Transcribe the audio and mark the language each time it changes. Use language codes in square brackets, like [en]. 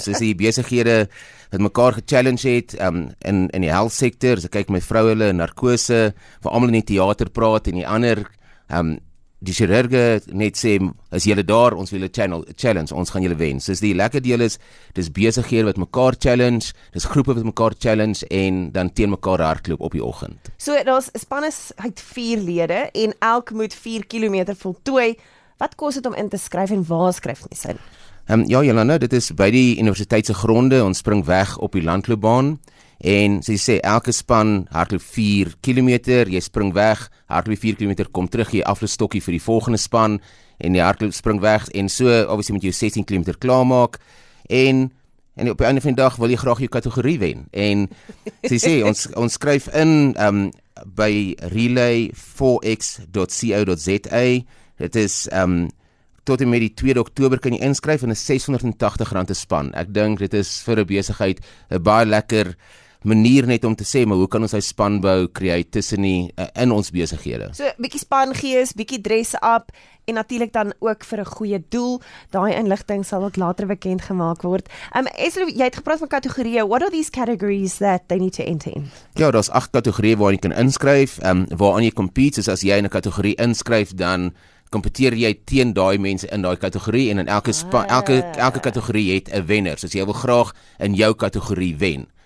[af] Soos die besighede wat mekaar gechallenge het in die health sector, as ek kyk my vrou hulle, narkose, vir almal in die theater praat en die ander, die chirurge net sê, is julle daar, ons wil julle challenge, ons gaan julle wen. Soos die lekker deel is, dis besighede wat mekaar challenge, dis groepe wat mekaar challenge en dan teen mekaar hardloop op die oggend. So, daar's span is uit 4 lede en elk moet 4 kilometer voltooi. Wat kos het om in te skryf en waar skryf mens in? Ja, Yolanda, dit is by die universiteitse gronde, ons spring weg op die landloopbaan en so jy sê, elke span hardloop 4 kilometer, jy spring weg, hardloop 4 kilometer, kom terug, jy afloopstokkie vir die volgende span en die hardloop spring weg en so, obviously moet jy 16 kilometer klaarmaak en op die einde van die dag wil jy graag jou kategorie wen en so jy sê, ons skryf in by relay4x.co.za, dit is tot en met die 2 oktober kan jy inskryf en is R680 'n span. Ek dink dit is vir 'n besigheid 'n baie lekker manier net om te sê, maar hoe kan ons hy span bou, create tussen die in ons besighede? So, bietjie span gees, bietjie dress up en natuurlik dan ook vir 'n goeie doel. Daai inligting sal ook later bekend gemaak word. Eslo, jy het gepraat van kategorieë. [en] What are these categories that they need to enter in? [af] Ja, daar's 8 kategorieë waarin jy kan inskryf, waaraan jy compete, soos as jy in 'n kategorie inskryf, dan kompeteer jy teen daai mense in daai kategorie en in elke span, elke kategorie het 'n wenner. So jy wil graag in jou kategorie wen.